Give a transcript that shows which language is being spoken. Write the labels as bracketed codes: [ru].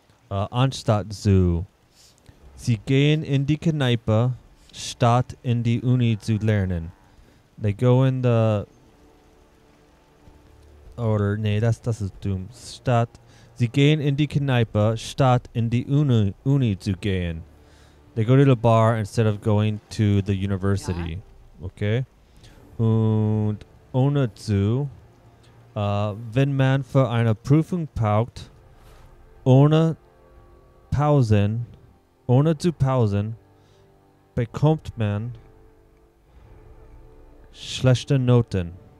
[de] Anstatt zu. Sie gehen in die Kneipe, statt in die Uni zu lernen. [en] They go in the... [de] Oder, nee, das ist dumm. Statt. Sie gehen in die Kneipe, statt in die Uni zu gehen. [en] They go to the bar instead of going to the university. [de] Ja. Okay. Und ohne zu. Wenn man für eine Prüfung braucht, ohne zu pausen, bekommt man schlechte Noten.